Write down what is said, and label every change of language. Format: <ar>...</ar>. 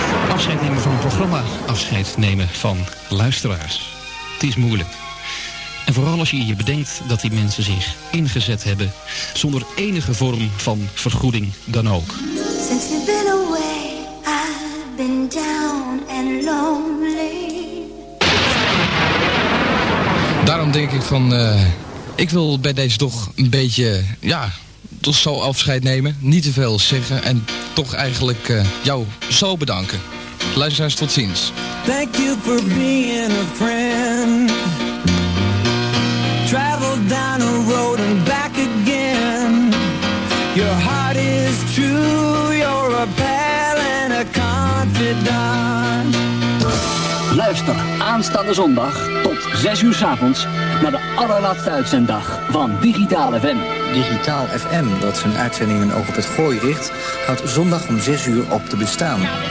<nl>Afscheid nemen van een programma, afscheid nemen van luisteraars. Het is moeilijk. En vooral als je je bedenkt dat die mensen zich ingezet hebben zonder enige vorm van vergoeding dan ook.</nl> <en>Since you've been away, I've been down and lonely.</en> <nl>Daarom denk ik van, ik wil bij deze toch een beetje, ja, toch zo afscheid nemen. Niet te veel zeggen en toch eigenlijk jou zo bedanken. Luisteraars, tot ziens.</nl> <en>Thank you for being a friend. Travel down a road and back again. Your heart is true, you're a pal and a confidant.</en> <nl>Luister aanstaande zondag tot 6 uur 's avonds naar de allerlaatste uitzenddag van Digitaal FM. Digitaal FM, dat zijn uitzendingen ook op het gooi richt, houdt zondag om 6 uur op te bestaan.</nl>